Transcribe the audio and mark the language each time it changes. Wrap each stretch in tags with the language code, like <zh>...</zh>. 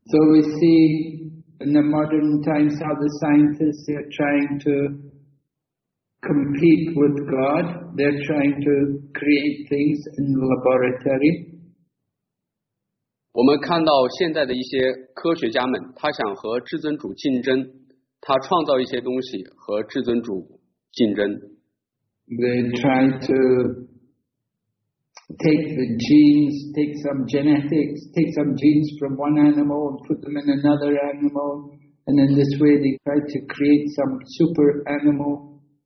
<en>we see in the modern times how the scientists are trying to compete with God. They're trying to create things in the laboratory.</en> <zh>我们看到现在的一些科学家们，他想和至尊主竞争，他创造一些东西和至尊主竞争。They</zh> <en>try to take the genes, take some genetics, take some genes from one animal and put them in another animal, and in this way they try to create some super animal.</en>